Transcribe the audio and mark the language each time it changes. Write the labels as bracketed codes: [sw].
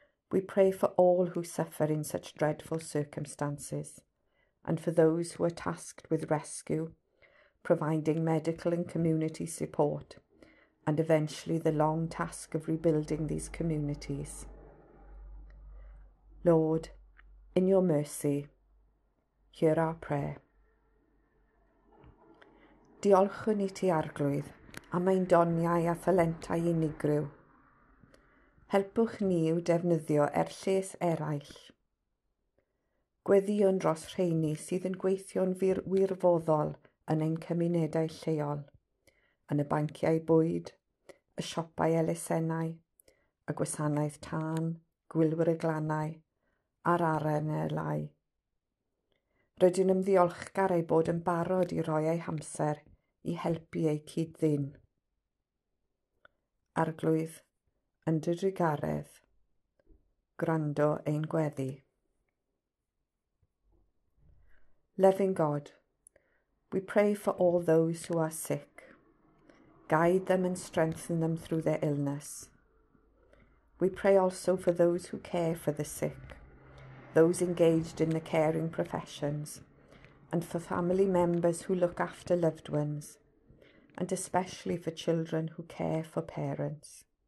[en] We pray for all who suffer in such dreadful circumstances, and for those who are tasked with rescue, providing medical and community support, and eventually the long task of rebuilding these communities. Lord, in your mercy, hear our prayer. [cy] Diolchwn i ti Arglwydd am ein doniau a phalentau unigryw. Helpwch ni i'w defnyddio er lles eraill. Gweddion dros rheini sydd yn gweithio'n wirfoddol yn ein cymunedau lleol, yn y banciau bwyd, y siopau elusennau, y gwasanaeth tân, gwylwyr y glannau, a'r arenelau. Rydym yn ddiolchgar ei bod yn barod i roi eu hamser i helpu eu cyd-ddyn. Arglwydd, yn dy drigaredd, gwrando ein gweddi. [en] Loving God, we pray for all those who are sick. Guide them and strengthen them through their illness. We pray also for those who care for the sick, those engaged in the caring professions, and for family members who look after loved ones, and especially for children who care for parents.